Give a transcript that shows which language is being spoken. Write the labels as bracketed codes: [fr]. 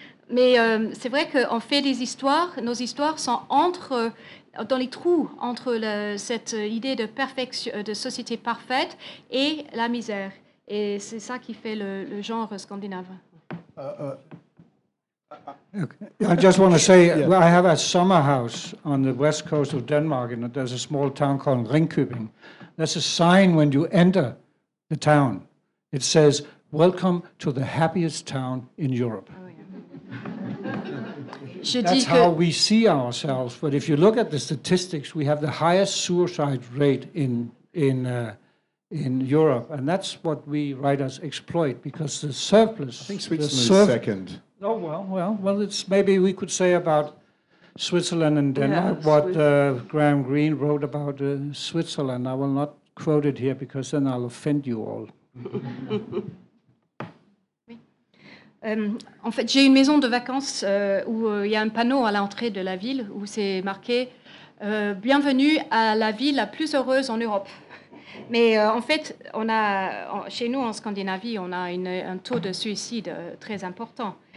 [fr] Mais c'est vrai qu'on fait des histoires, nos histoires sont dans les trous entre cette idée de perfection, de société parfaite et la misère. Et c'est ça qui fait le genre scandinave. [en] I just want to say, yeah. I have a summer house on the west coast of Denmark, and there's a small town called Ringkøbing. There's a sign when you enter the town. It says, welcome to the happiest town in Europe. Oh, yeah. That's how we see ourselves. But if you look at the statistics, we have the highest suicide rate in Europe. And that's what we writers exploit, because the surplus... I think Switzerland is second. Oh, well, it's maybe we could say about Switzerland and Denmark, yeah, what Graham Greene wrote about Switzerland. I will not quoted here because then I'll offend you all. [fr] En fait, j'ai une maison de vacances où il y a un panneau à l'entrée de la ville où c'est marqué bienvenue à la ville la plus heureuse en Europe. Mais en fait, chez nous en Scandinavie, on a un taux de suicide très important.